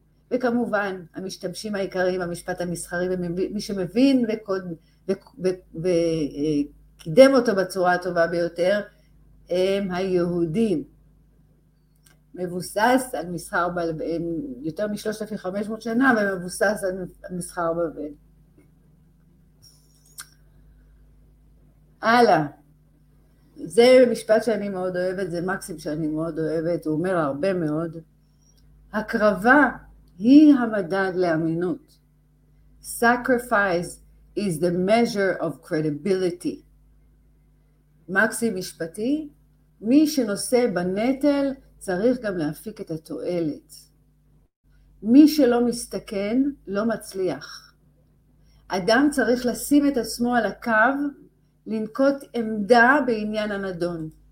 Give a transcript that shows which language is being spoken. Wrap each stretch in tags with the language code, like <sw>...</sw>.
<he>וכמובן המשתמשים העיקריים במשפט המסחרי ומי שמבין וקידם אותו בצורה הטובה ביותר הם היהודים, מבוסס על מסחר בבל, יותר מ-3,500 שנה, ומבוסס על מסחר בבל. הלאה, זה משפט שאני מאוד אוהבת, זה מקסים שאני מאוד אוהבת, הוא אומר הרבה מאוד. הקרבה היא המדד לאמינות.</he> <en>Sacrifice is the measure of credibility.</en> <he>מקסים משפטי, מי שנושא בנטל צריך גם להפיק את התועלת. מי שלא מסתכן לא מצליח. אדם צריך לשים את עצמו על הקו, לנקוט עמדה בעניין הנדון.</he>